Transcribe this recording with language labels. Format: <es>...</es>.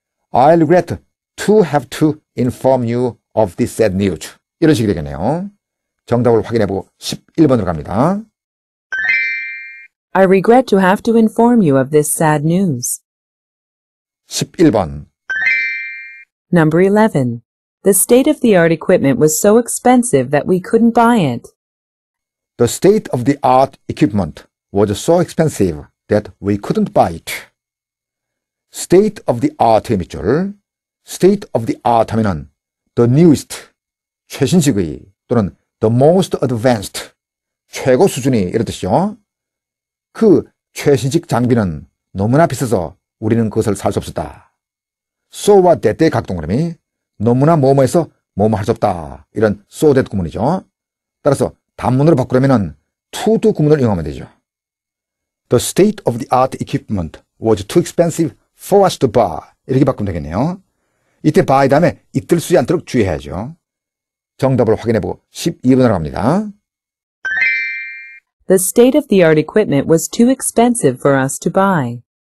<en>I regret to have to inform you of this sad news.</en> <ko>이런 식이 되겠네요. 정답을 확인해보고 11번으로 갑니다.</ko> <en>I regret to have to inform you of this sad news.</en> <ko>11번.</ko> <en>Number 11. The state-of-the-art equipment was so expensive that we couldn't buy it. The state-of-the-art equipment was so expensive that we couldn't buy it.</en> <ko>State-of-the-art 밑줄. State-of-the-art 하면은</ko> <en>the newest,</en> <ko>최신식의 또는</ko> <en>the most advanced,</en> <ko>최고 수준이 이런 뜻이죠. 그 최신식 장비는 너무나 비싸서 우리는 그것을 살 수 없었다. So와 that의 각동그라미 너무나 뭐뭐해서 뭐뭐 할 수 없다. 이런 so that 구문이죠. 따라서 단문으로 바꾸려면 to 구문을 이용하면 되죠.</ko> <en>The state of the art equipment was too expensive for us to buy.</en> <ko>이렇게 바꾸면 되겠네요. 이때 buy 다음에 잊들 수지 않도록 주의해야죠. 정답을 확인해보고 12번으로 갑니다.</ko> <en>The state of the art equipment was too expensive for us to buy.</en>